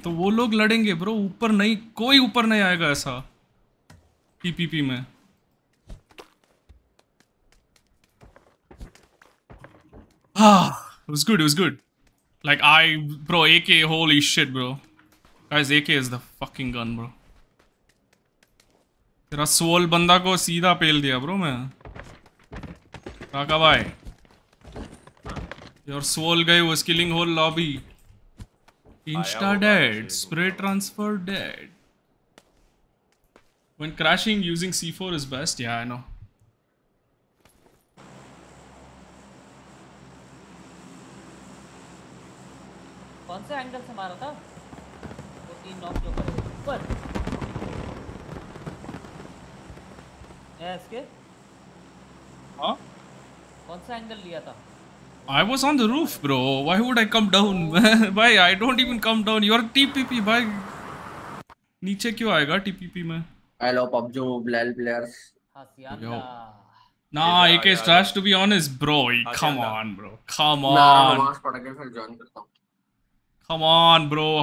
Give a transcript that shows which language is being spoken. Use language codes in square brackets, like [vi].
[hi] तो वो लोग लड़ेंगे bro, ऊपर नहीं, कोई ऊपर नहीं आएगा ऐसा TPP में। [en] it was good. Like I bro, AK, holy shit bro. Guys, AK is the fucking gun bro. [hi] तेरा सोल बंदा को सीधा पेल दिया bro मैं। राका भाई। [en] Your soul guy was killing whole lobby. Insta dead, spray transfer dead. When crashing using C4 is best. Yeah, I know. [hi] कौन से angle से मारा था? वो तीन नॉक जो करे ऊपर। एसके? हाँ? कौन सा एंगल लिया था? [en] I was on the roof, bro. Why would I come down? Bhai, I don't even come down. You are TPP, bhai. [hi] Niche kyun aayega TPP mein? [en] Hello, PUBG Mobile players. Yo. Nah, AK is trash to be honest, bro. Come on, bro.